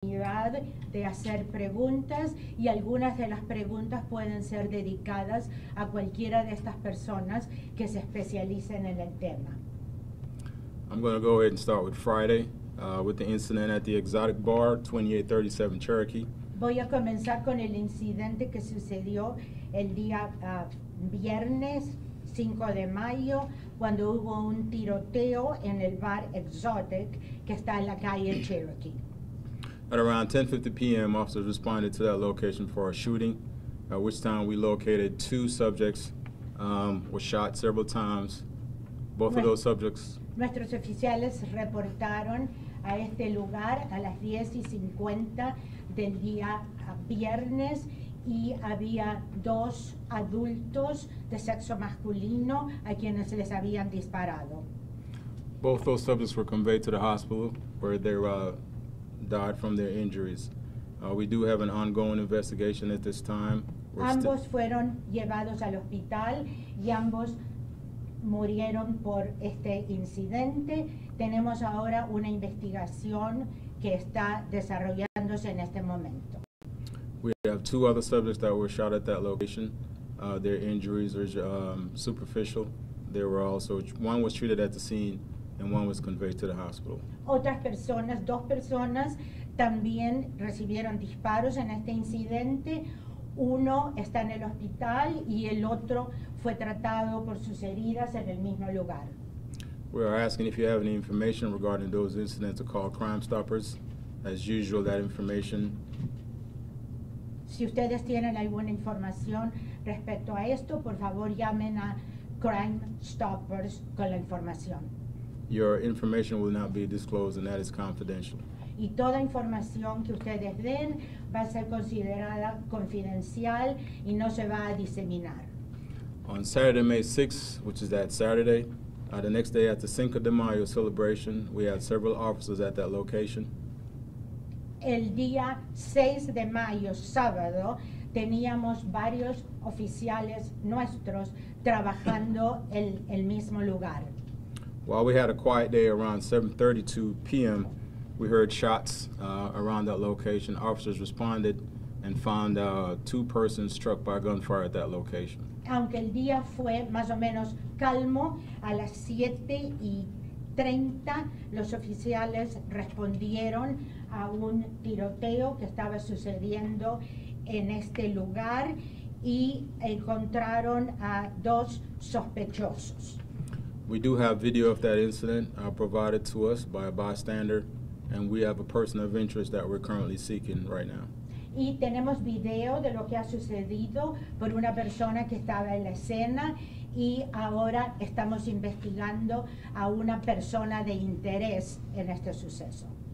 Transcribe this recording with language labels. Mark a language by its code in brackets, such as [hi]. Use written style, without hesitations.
[es] De hacer preguntas y algunas de las preguntas pueden ser dedicadas a cualquiera de estas personas que se especialicen en el tema. [en] I'm going to go ahead and start with Friday with the incident at the Exotic Bar, 2837 Cherokee. [es] Voy a comenzar con el incidente que sucedió el día viernes 5 de mayo cuando hubo un tiroteo en el bar Exotic que está en la calle Cherokee. [en] At around 10:50 p.m., officers responded to that location for a shooting, at which time we located two subjects were shot several times. Both of those subjects. [es] Nuestros oficiales reportaron a este lugar a las 10:50 del día viernes y había dos adultos de sexo masculino a quienes les habían disparado. [en] Both those subjects were conveyed to the hospital where they died from their injuries. We do have an ongoing investigation at this time. [es] Ambos fueron llevados al hospital y ambos murieron por este incidente. Tenemos ahora una investigación que está desarrollándose en este momento. [en] We have two other subjects that were shot at that location. Their injuries are superficial. They were also, one was treated at the scene and one was conveyed to the hospital. [es] Otras personas, dos personas, también recibieron disparos en este incidente. Uno está en el hospital y el otro fue tratado por sus heridas en el mismo lugar. [en] We are asking if you have any information regarding those incidents to call Crime Stoppers. As usual, that information. [es] Si ustedes tienen alguna información respecto a esto, por favor llamen a Crime Stoppers con la información. [en] Your information will not be disclosed, and that is confidential. [es] Y toda información que ustedes den va a ser considerada confidencial y no se va a diseminar. [en] On Saturday, May 6th, which is that Saturday, the next day at the Cinco de Mayo celebration, we had several officers at that location. [es] El día 6 de mayo, sábado, teníamos varios oficiales nuestros trabajando en el mismo lugar. [en] While we had a quiet day around 7:32 p.m., we heard shots around that location. Officers responded and found two persons struck by gunfire at that location. [es] Aunque el día fue más o menos calmo, a las 7:30, los oficiales respondieron a un tiroteo que estaba sucediendo en este lugar y encontraron a dos sospechosos. [en] We do have video of that incident provided to us by a bystander, and we have a person of interest that we're currently seeking right now. [es] Y tenemos video de lo que ha sucedido por una persona que estaba en la escena, y ahora estamos investigando a una persona de interés en este suceso.